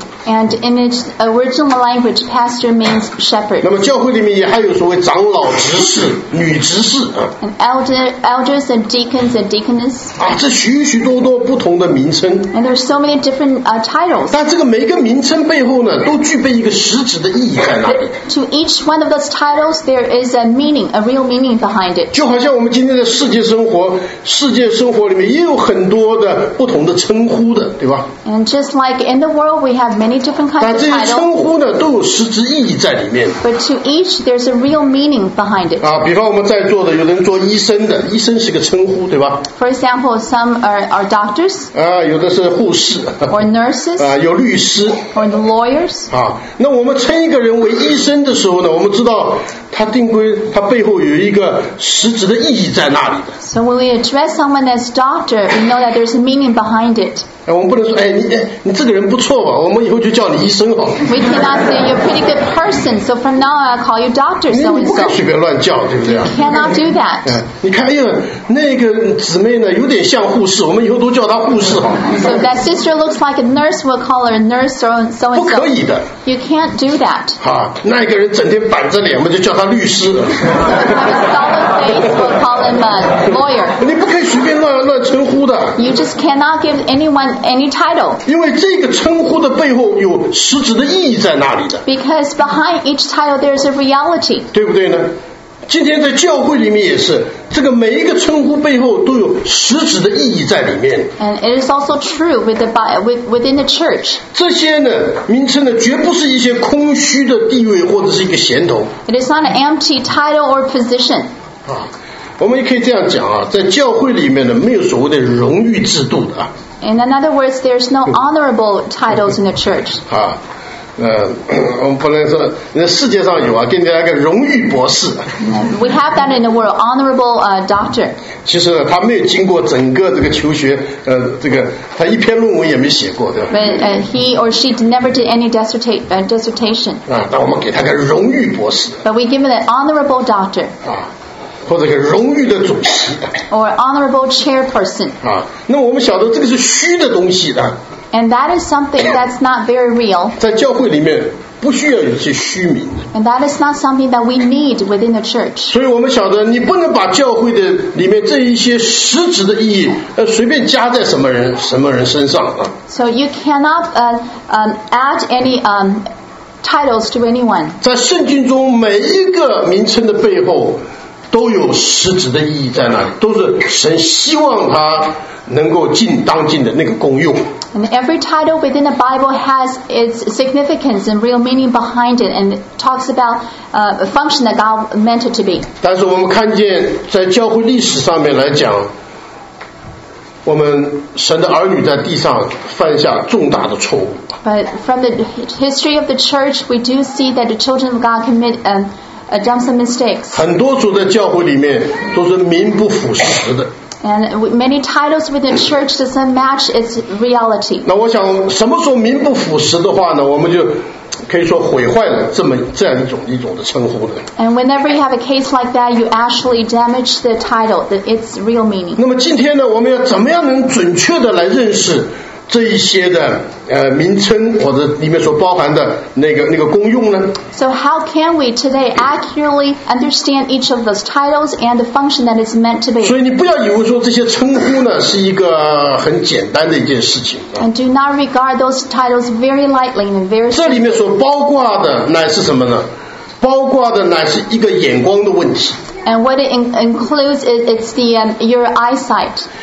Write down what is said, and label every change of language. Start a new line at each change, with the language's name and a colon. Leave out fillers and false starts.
English: And in its original language, pastor means shepherd.
Chinese: 那么教会里面也还有所谓长老、执事、女执事。
English: And elders and deacons and deaconess.
Chinese: 啊，这许许多多不同的名称。
English: And there are so many different titles.
Chinese: 但这个每一个名称背后呢，都具备一个实质的意义在哪里
English: ？To each one of those titles, there is a meaning, a real meaning behind it.
Chinese: 就好像我们今天的世界生活里面也有很多的不同的称呼的，对吧
English: ？And just like in the world, we have many different kinds of titles.
Chinese: 但这些称呼呢，都有实质意义在里面。
English: But to each, there's a real meaning behind it.
Chinese: 啊，比方我们在座的，有人做医生的，医生是个称呼，对吧
English: ？For example, some are doctors.
Chinese: 啊，有的是护士。
English: Or nurses.
Chinese: 啊，有律师。
English: Or the lawyers.
Chinese: 啊，那我们称一个人为医生的时候呢，我们知道他定规，他背后有一个实质的意义在那里的。
English: So when we address someone as doctor, we know that there's a meaning behind it.
Chinese: 哎，我们不能说，哎，你这个人不错吧？我们以后就叫你医生好。
English: We cannot say you're a pretty good person, so from now on I'll call you doctor.
Chinese: 你不敢随便乱叫，对不对
English: ？You cannot do that.
Chinese: 哎，你看，哎呀，那个姊妹呢，有点像护士，我们以后都叫她护士好。
English: So that sister looks like a nurse, we'll call her a nurse or so and so.
Chinese: 不可以的。
English: You can't do that.
Chinese: 好，那个人整天板着脸，我们就叫他律师。
English: Lawyer.
Chinese: 你不可以随便乱称呼的。
English: You just cannot give anyone any title.
Chinese: 因为这个称呼的背后有实质的意义在那里的。
English: Because behind each title there is a reality.
Chinese: 对不对呢？今天在教会里面也是，这个每一个称呼背后都有实质的意义在里面。
English: And it is also true within the church.
Chinese: 这些呢，名称呢，绝不是一些空虚的地位或者是一个衔头。
English: It is not an empty title or position.
Chinese: 我们也可以这样讲啊，在教会里面呢，没有所谓的荣誉制度的啊。
English: In other words, there's no honorable titles in the church. 啊，
Chinese: 我们不能说世界上有啊，给你来个荣誉博士。
English: We have that in the world, honorable doctor.
Chinese: 其实他没有经过整个这个求学，这个他一篇论文也没写过，对吧
English: ？But he or she never did any dissertation.
Chinese: 但我们给他个荣誉博士。
English: But we give him an honorable doctor.
Chinese: 或者个荣誉的主席。
English: Or honorable chairperson.
Chinese: 那我们晓得这个是虚的东西的。
English: And that is something that's not very real.
Chinese: 在教会里面不需要有一些虚名。
English: And that is not something that we need within the church.
Chinese: 所以我们晓得你不能把教会的里面这一些实质的意义随便加在什么人身上。
English: So you cannot add any titles to anyone.
Chinese: 在圣经中每一个名称的背后都有实质的意义在那里，都是神希望他能够尽当尽的那个功用。
English: And every title within the Bible has its significance and real meaning behind it, and talks about a function that God meant it to be.
Chinese: 但是我们看见，在教会历史上面来讲，我们神的儿女在地上犯下重大的错误。
English: But from the history of the church, we do see that the children of God commit done some mistakes.
Chinese: 很多主的教会里面都是名不符实的。
English: And many titles within the church doesn't match its reality.
Chinese: 那我想什么时候名不符实的话呢，我们就可以说毁坏了这样一种的称呼的。
English: And whenever you have a case like that, you actually damage the title, its real meaning.
Chinese: 那么今天呢，我们要怎么样能准确的来认识这一些的名称或者里面所包含的那个功用呢？
English: So how can we today accurately understand each of those titles and the function that it's meant to be?
Chinese: 所以你不要以为说这些称呼呢是一个很简单的一件事情。
English: And do not regard those titles very lightly and very.
Chinese: 这里面所包括的乃是什么呢？包括的乃是一个眼光的问题。
English: And what it includes is it's the your eyesight.